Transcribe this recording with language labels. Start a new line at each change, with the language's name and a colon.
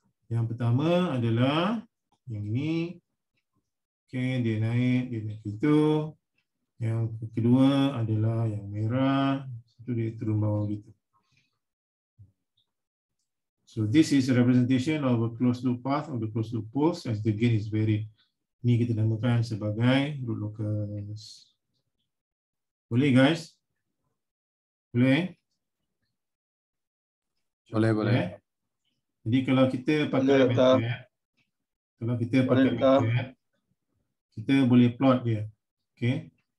Malay: Yang pertama adalah yang ini. Okay, dia naik, dia naik itu. Yang kedua adalah yang merah. Itu dia turun bawah gitu.
English: So this is a representation of a closed loop path of the closed loop poles as the gain is varied.
Malay: Ini kita namakan sebagai root locus. Boleh guys? Boleh? Boleh, boleh. Jadi kalau kita pakai
English: method,
Malay: kalau kita pakai method, kita boleh plot dia. Okay.